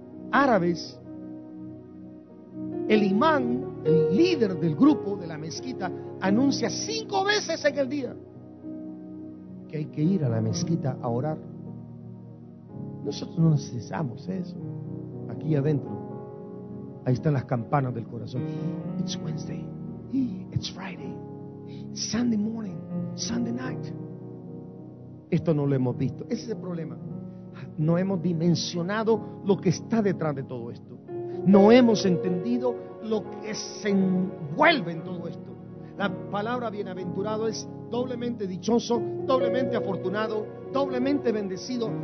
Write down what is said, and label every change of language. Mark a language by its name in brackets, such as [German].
[Spanish] Árabes, el imán, el líder del grupo de la mezquita, anuncia 5 veces en el día que hay que ir a la mezquita a orar. Nosotros no necesitamos eso. Aquí adentro, ahí están las campanas del corazón. [English] It's Wednesday, it's Friday, Sunday morning, Sunday night. [Spanish] Esto no lo hemos visto, ese es el problema. No hemos dimensionado lo que está detrás de todo esto. No hemos entendido lo que se envuelve en todo esto. La palabra bienaventurado es doblemente dichoso, doblemente afortunado, doblemente bendecido.